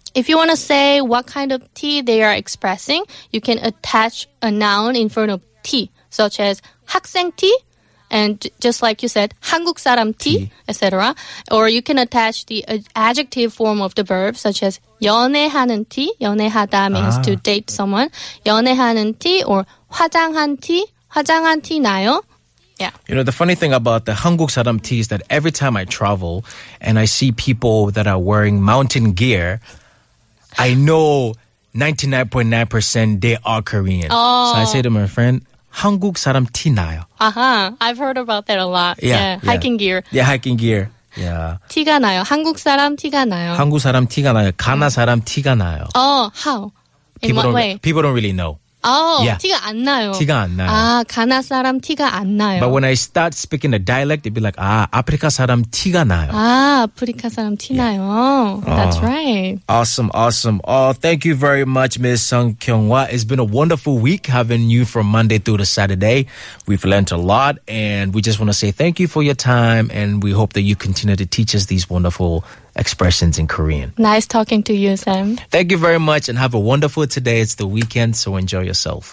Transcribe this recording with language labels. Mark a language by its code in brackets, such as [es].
[en] If you want to say what kind of tea they are expressing, you can attach a noun in front of tea, such as 학생 tea. And just like you said, 한국 사람 티, etc. Or you can attach the adjective form of the verb, such as 연애하는 티. 연애하다 means to date someone. [ko] 연애하는 티 or 화장한 티. 화장한 티 나요? Yeah. [en] You know, the funny thing about the 한국 사람 티 is that every time I travel and I see people that are wearing mountain gear, I know 99.9% they are Korean. Oh. So I say to my friend, [ko] 한국 사람 티 나요. [en] Uh-huh. I've heard about that a lot. Yeah. Hiking gear. Yeah, hiking gear. Yeah. [ko] 티가 나요. 한국 사람 티가 나요. 한국 사람 티가 나요. 가나 사람 티가 나요. [en] Oh, how? In what way? People don't really know. [ko] Oh, 티가 안 나요. 티가 안 나요. 아, 가나 사람 티가 안 나요. [en] But when I start speaking the dialect, they'd be like, [ko] 아, 아프리카 사람 티가 나요. 아, 아프리카 사람 티 나요. [en] That's right. Awesome, awesome. Oh, thank you very much, Ms. Sung Kyung-hwa. It's been a wonderful week having you from Monday through to Saturday. We've learned a lot, and we just want to say thank you for your time, and we hope that you continue to teach us these wonderful expressions in Korean. Nice talking to you, Sam. Thank you very much and have a wonderful today. It's the weekend, so enjoy yourself.